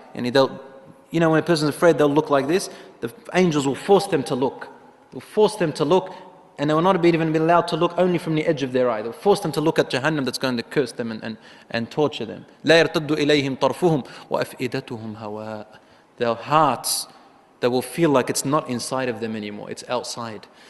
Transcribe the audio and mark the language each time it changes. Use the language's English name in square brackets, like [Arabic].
[English] And they'll, you know, when a person's afraid, they'll look like this. The angels will force them to look. They'll force them to look, and they will not even be allowed to look only from the edge of their eye. They'll force them to look at Jahannam that's going to curse them and torture them. [Arabic] لا يرتد إليهم طرفهم وأفئدتهم هواء. [English] Their hearts, they will feel like it's not inside of them anymore, it's outside.